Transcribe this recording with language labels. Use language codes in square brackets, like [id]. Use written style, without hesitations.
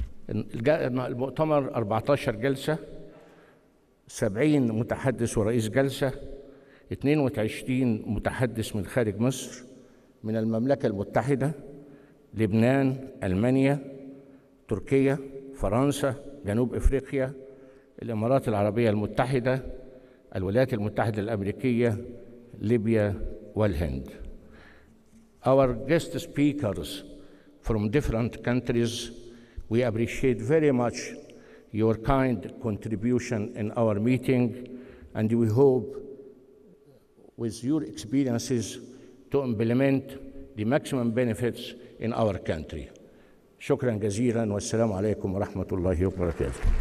[ar] المؤتمر 14 جلسة، 70 متحدث ورئيس جلسة، 22 متحدث من خارج مصر، من المملكة المتحدة، لبنان، ألمانيا، تركيا، فرنسا، جنوب إفريقيا، الإمارات العربية المتحدة، الولايات المتحدة الأمريكية، ليبيا والهند. [en] Our guest speakers from different countries, we appreciate very much your kind contribution in our meeting, and we hope with your experiences to implement the maximum benefits in our country. [ar] شكرا جزيلا والسلام عليكم ورحمة الله وبركاته.